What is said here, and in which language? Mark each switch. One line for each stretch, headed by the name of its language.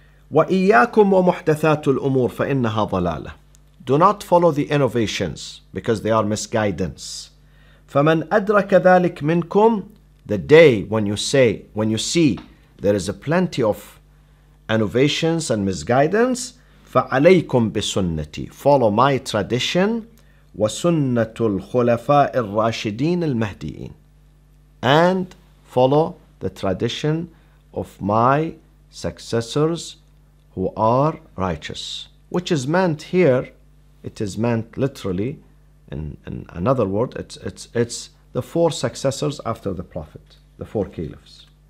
Arabic: وَإِيَّاكُمْ وَمُحْدَثَاتُ الْأُمُورِ فَإِنَّهَا ضَلَالَةٌ.
English: Do not follow the innovations because they are misguidance.
Arabic: فَمَنْ أَدْرَكَ ذَلِكْ مِنْكُمْ.
English: The day when you say, when you see there is a plenty of innovations and misguidance,
Arabic: فَعَلَيْكُمْ بِسُنَّتِي.
English: Follow my tradition,
Arabic: وَسُنَّةُ الْخُلَفَاءِ الرَّاشِدِينَ الْمَهْدِيِينَ.
English: And follow the tradition of my successors who are righteous. Which is meant here, it is meant literally, in another word, it's the four successors after the Prophet, the four caliphs.